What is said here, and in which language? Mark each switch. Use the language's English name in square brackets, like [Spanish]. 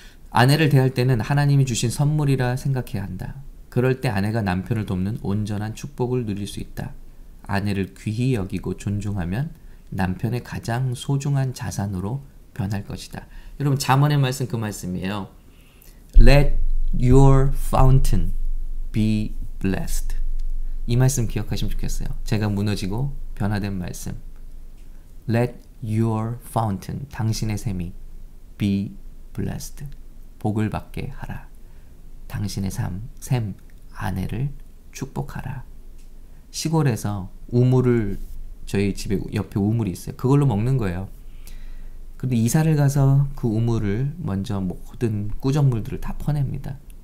[Korean] 아내를 대할 때는 하나님이 주신 선물이라 생각해야 한다. 그럴 때 아내가 남편을 돕는 온전한 축복을 누릴 수 있다. 아내를 귀히 여기고 존중하면 남편의 가장 소중한 자산으로 변할 것이다. 여러분, 잠언의 말씀 그 말씀이에요. [English] Let your fountain be blessed. [Korean] 이 말씀 기억하시면 좋겠어요. 제가 무너지고 변화된 말씀. [English] Let your fountain, [Korean] 당신의 샘이 [English] be blessed. [Korean] 복을 받게 하라. 당신의 샘, 아내를 축복하라. 시골에서 우물을 저희 집에 옆에 우물이 있어요. 그걸로 먹는 거예요. 근데 이사를 가서 그 우물을 먼저 모든 꾸정물들을 다 퍼냅니다.